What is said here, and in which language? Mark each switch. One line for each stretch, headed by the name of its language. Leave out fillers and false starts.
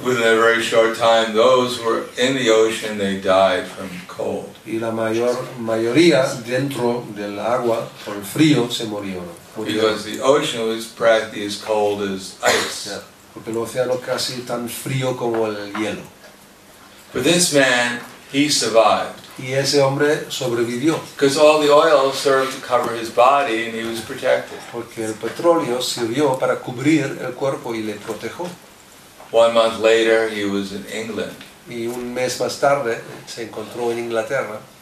English: Within a very short time, those who were in the ocean, they died from cold.
Spanish: Y la mayoría dentro del agua por el frío se murieron.
English: Because the ocean was practically as cold as ice. Yeah.
Spanish: Porque el océano casi tan frío como el hielo.
English: But this man, he survived.
Spanish: Y ese hombre sobrevivió.
English: Because all the oil served to cover his body and he was protected.
Spanish: Porque el petróleo sirvió para cubrir el cuerpo y le protegió.
English: 1 month later, he was in England.
Spanish: Y un mes más tarde, se encontró en Inglaterra.